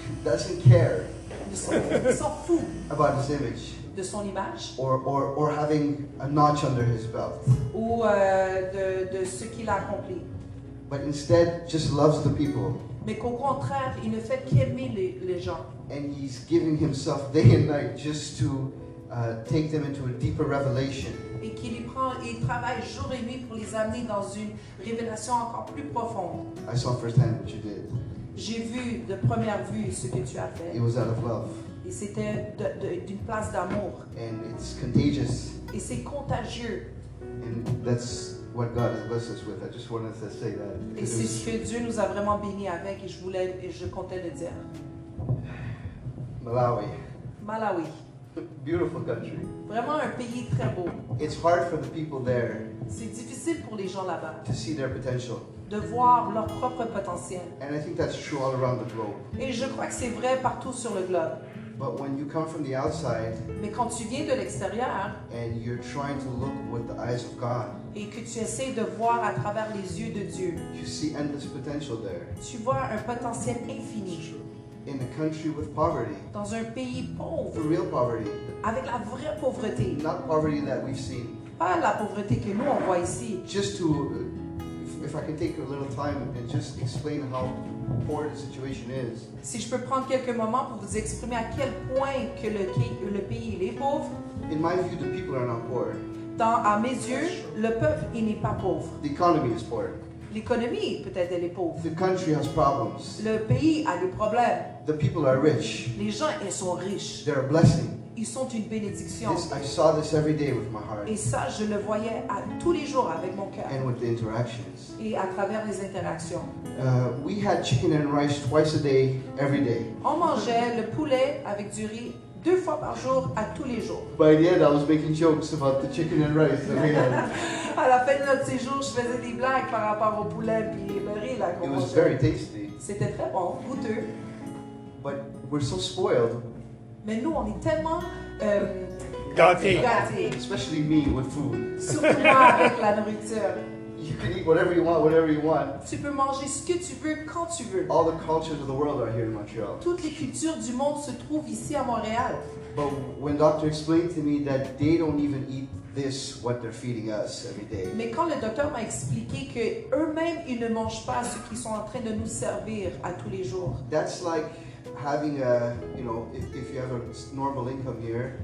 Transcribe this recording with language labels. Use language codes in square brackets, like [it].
[en] doesn't care [fr] s'en fout [en] about his image, [fr] de son image, [en] or having a notch under his belt, [fr] ou de ce qu'il a accompli, [en] but instead just loves the people. [fr] Mais qu'au contraire, il ne fait qu'aimer les gens. [en] And he's giving himself day and night just to take them into a deeper revelation. [fr] Et qu'il y prend, il travaille jour et nuit pour les amener dans une révélation encore plus profonde. [en] I saw firsthand what you did. [fr] J'ai vu de première vue ce que tu as fait. [en] It was out of love. [fr] Et c'était d'une place d'amour. [en] And it's contagious. [fr] Et c'est contagieux. [en] And that's what God has blessed us with. I just wanted to say that. [fr] Et c'est ce que Dieu nous a vraiment béni avec, et je comptais le dire. [en] Malawi. Beautiful country. [fr] Vraiment un pays très beau. [en] It's hard for the people there. [fr] C'est difficile pour les gens là-bas. [en] To see their potential. [fr] De voir leur propre potentiel. [en] And I think that's true all around the globe. [fr] Et je crois que c'est vrai partout sur le globe. [en] But when you come from the outside, [fr] mais quand tu viens de l'extérieur, [en] and you're trying to look with the eyes of God, [fr] et que tu essaies de voir à travers les yeux de Dieu, [en] you see endless potential there. [fr] Tu vois un potentiel infini. [en] In a country with poverty. [fr] Dans un pays pauvre. [en] The real poverty. [fr] Avec la vraie pauvreté. [en] Not poverty that we've seen. [fr] Pas la pauvreté que nous on voit ici. [en] Just to, if I can take a little time and just explain how poor the situation is. [fr] Si je peux prendre quelques moments pour vous exprimer à quel point que le pays il est pauvre. [en] In my view, the people are not poor. [fr] Dans à mes yeux, le peuple il n'est pas pauvre. [en] The economy is poor. [fr] L'économie peut-être elle est pauvre. [en] The country has problems. [fr] Le pays a des problèmes. [en] The people are rich. [fr] Les gens ils sont riches. [en] They're a blessing. [fr] Ils sont une bénédiction. [en] I saw this every day with my heart. [fr] Et ça je le voyais à tous les jours avec mon cœur. [en] And with the interactions. [fr] Et à travers les interactions. [en] We had chicken and rice twice a day every day. [fr] On mangeait le poulet avec du riz deux fois par jour à tous les jours. [en] By the end, I was making jokes about the chicken and rice. That we had. [fr] À la fin de notre séjour, je faisais des blagues par rapport au poulet puis le riz là qu'on mangeait. [en] It was very tasty. [fr] C'était très bon, goûteux. [en] But we're so spoiled. [fr] Mais nous, on est tellement gâtés. [en] Especially me with food. [fr] Surtout moi avec la nourriture. [en] You can eat whatever you want, whenever you want. [fr] Tu peux manger ce que tu veux, quand tu veux. [en] All the cultures of the world are here in Montreal. [fr] Toutes les cultures du monde se trouvent ici à Montréal. [en] But when doctor explained to me that they don't even eat this, what they're feeding us every day. [fr] Mais quand le docteur m'a expliqué que eux-mêmes ils ne mangent pas ce qu'ils sont en train de nous servir à tous les jours. [en] That's like having a, you know, if you have a normal income here.